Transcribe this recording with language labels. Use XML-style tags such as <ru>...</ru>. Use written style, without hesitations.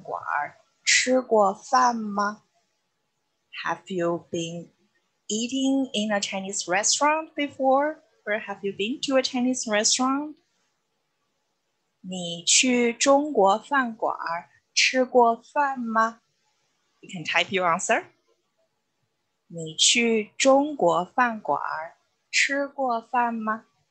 <zh>你去中国饭馆吃过饭吗?</zh> <en>Have you been eating in a Chinese restaurant before? Or have you been to a Chinese restaurant?</en> <zh>你去中国饭馆吃过饭吗?</zh> <en>You can type your answer.</en> <zh>你去中国饭馆吃过饭吗?</zh>